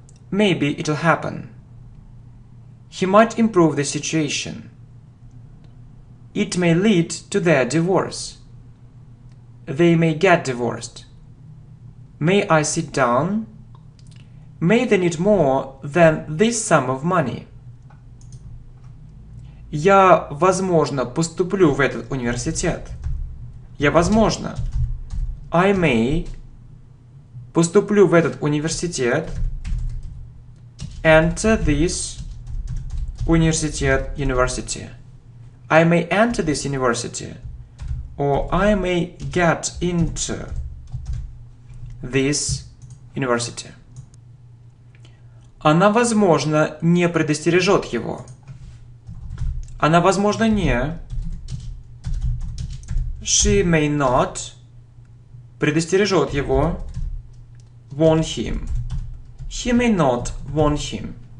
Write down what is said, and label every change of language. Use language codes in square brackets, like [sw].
[en] Maybe it'll happen. He might improve the situation. It may lead to their divorce. They may get divorced. May I sit down? May they need more than this sum of money? [ru] Я, возможно, поступлю в этот университет. Я, возможно, [en] I may [ru] поступлю в этот университет, [en] enter this [ru] университет, [en] university. I may enter this university, or I may get into this university. [ru] Она, возможно, не предостережет его. Она, возможно, не. [en] She may not [ru] предостережет его. [en] Warn him. He may not warn him.